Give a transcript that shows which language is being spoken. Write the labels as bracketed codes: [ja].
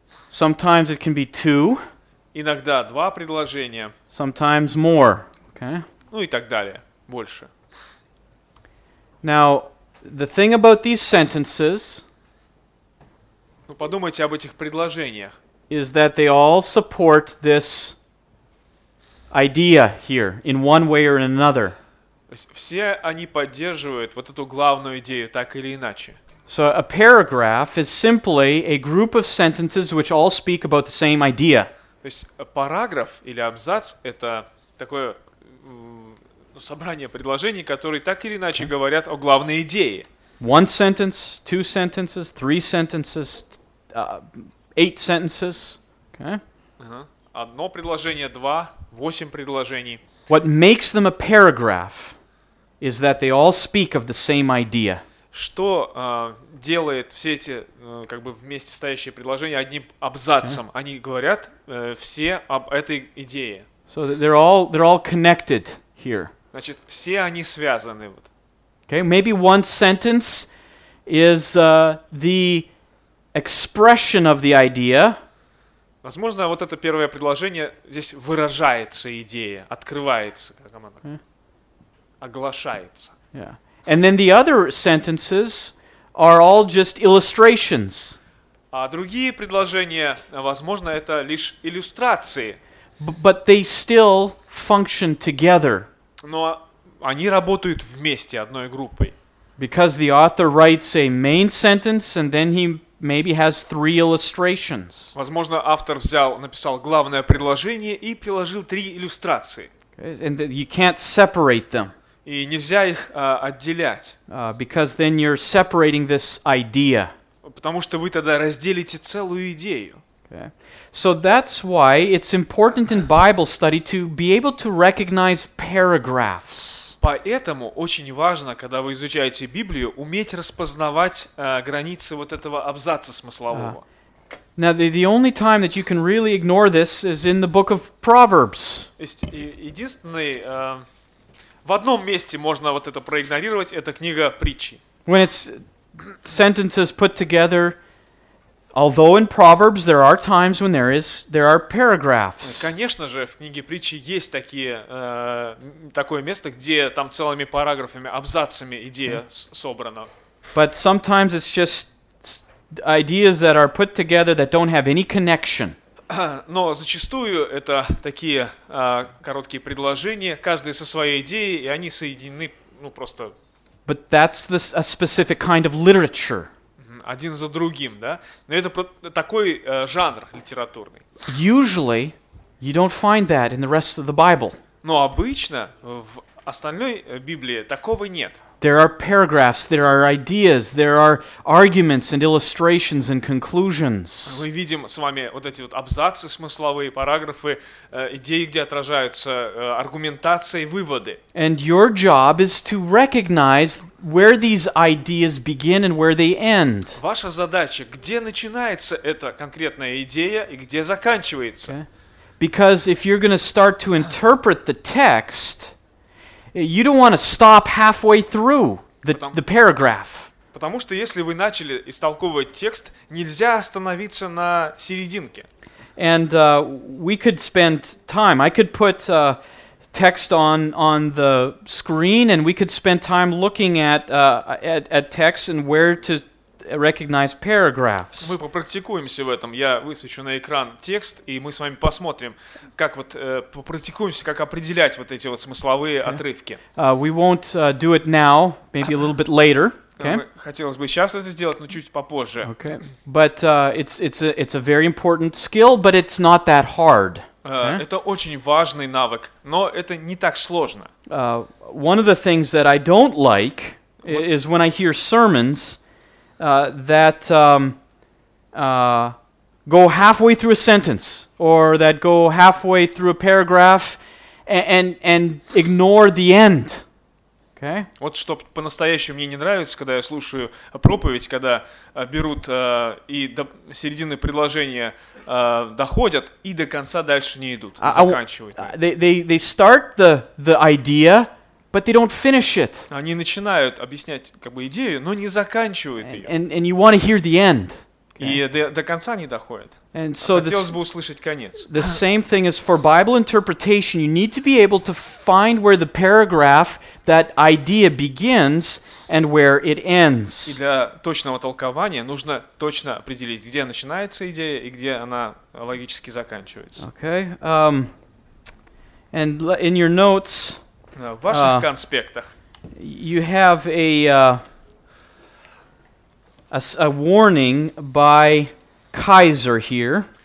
[en] Sometimes it can be two. [ru] Иногда два предложения. [en] Sometimes more. Okay. [ru] Ну и так далее, больше. [en] Now, the thing about these sentences. [ru] Ну подумайте об этих предложениях. [en] Is that they all support this idea here in one way or another. [ru] Все они поддерживают вот эту главную идею так или иначе. [en] So a paragraph is simply a group of sentences which all speak about the same idea. [ru] То есть параграф или абзац — это такое собрание предложений, которые так или иначе говорят о главной идее. [en] One sentence, two sentences, three sentences, eight sentences. Okay. [ru] Одно предложение, два, восемь предложений. [en] What makes them a paragraph? Is that they all speak of the same idea? [ru] Что делает все эти как бы вместе стоящие предложения одним абзацем? [en] Okay. [ru] Они говорят все об этой идее. [en] So they're all connected here. [ru] Значит, все они связаны вот. [en] Okay, maybe one sentence is the expression of the idea. [ru] Возможно, вот это первое предложение здесь выражается идея, открывается. Okay. Оглашается. [en] Yeah. And then the other sentences are all just illustrations. [ru] А другие предложения, возможно, это лишь иллюстрации. [en] But they still function together. [ru] Но они работают вместе одной группой. [en] Because the author writes a main sentence and then he maybe has three illustrations. [ru] Возможно, автор взял, написал главное предложение и приложил три иллюстрации. [en] And you can't separate them. [ru] И нельзя их отделять. [en] Because then you're separating this idea. [ru] Потому что вы тогда разделите целую идею. [en] Okay. So that's why it's important in Bible study to be able to recognize paragraphs. [ru] Поэтому очень важно, когда вы изучаете Библию, уметь распознавать границы вот этого абзаца смыслового. [en] Now the only time that you can really ignore this is in the book of Proverbs. [ru] Единственный в одном месте можно вот это проигнорировать, это книга притчи. [en] When it's sentences put together, although in Proverbs there are times when there are paragraphs. [ru] Конечно же, в книге притчи есть такое место, где там целыми параграфами, абзацами идея собрана. [en] But sometimes it's just ideas that are put together that don't have any connection. [ru] Но зачастую это такие короткие предложения, каждый со своей идеей, и они соединены, ну просто. [en] But that's a specific kind of literature. [ru] Один за другим, да? Но это такой жанр литературный. [en] Usually, you don't find that in the rest of the Bible. [ru] Но обычно в остальной Библии такого нет. [en] There are paragraphs, there are ideas, there are arguments and illustrations and conclusions. [ru] Мы видим с вами вот эти вот абзацы смысловые, параграфы, идеи, где отражаются аргументации, выводы. [en] And your job is to recognize where these ideas begin and where they end. [ru] Ваша задача, где начинается эта конкретная идея и где заканчивается. [en] Because if you're going to start to interpret the text, you don't want to stop halfway through the paragraph. [ru] Потому что если вы начали истолковывать текст, нельзя остановиться на серединке. [en] And we could spend time. I could put text on the screen, and we could spend time looking at text and where to recognize paragraphs. [ru] Мы попрактикуемся в этом. Я высвечу на экран текст, и мы с вами посмотрим, как вот попрактикуемся, как определять вот эти вот смысловые отрывки. [en] We won't do it now, maybe a little bit later. Okay? [ru] Хотелось бы сейчас это сделать, но чуть попозже. [en] Okay. But it's a very important skill, but it's not that hard. [ru] Это очень важный навык, но это не так сложно. [en] One of the things that I don't like is when I hear sermons that go halfway through a sentence or that go halfway through a paragraph and ignore the end. Okay? [ru] Вот что по-настоящему мне не нравится, когда я слушаю проповедь, когда берут и до середины предложения доходят и до конца дальше не идут, заканчивают. [en] They start the idea, but they don't finish it. [ru] Они начинают объяснять как бы идею, но не заканчивают ее. [en] And you want to hear the end. [ru] Okay. И до конца не доходят. [en] And so [ru] хотелось бы услышать конец. [en] The same thing is for Bible interpretation. You need to be able to find where the paragraph, that idea begins and where it ends. [ru] И для точного толкования нужно точно определить, где начинается идея и где она логически заканчивается. [en] Okay. And in your notes, [ru] в ваших конспектах. [en] You have a warning by Kaiser here.